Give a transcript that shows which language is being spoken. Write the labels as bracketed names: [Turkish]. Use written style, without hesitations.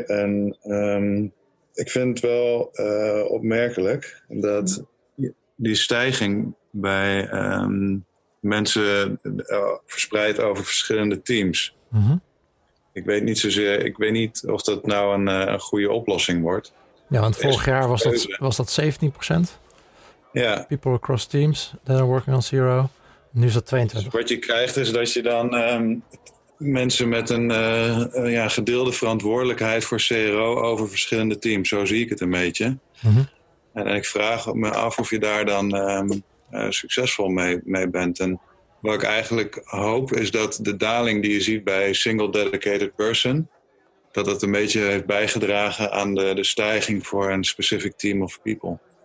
[Dutch] En ik vind het wel opmerkelijk dat die stijging bij mensen verspreid over verschillende teams. Mm-hmm. Ik weet niet of dat nou een goede oplossing wordt. Ja, want vorig jaar was dat 17%. Ja. [English] People across teams that are working on CRO. [Dutch] Nu is dat 22. Dus wat je krijgt is dat je dan mensen met een gedeelde verantwoordelijkheid voor CRO over verschillende teams. Zo zie ik het een beetje. Mm-hmm. En ik vraag me af of je daar dan succesvol mee bent. En wat ik eigenlijk hoop is dat de daling die je ziet bij [English] single dedicated person, [Dutch] dat dat een beetje heeft bijgedragen aan de stijging voor een [English] specific team of people.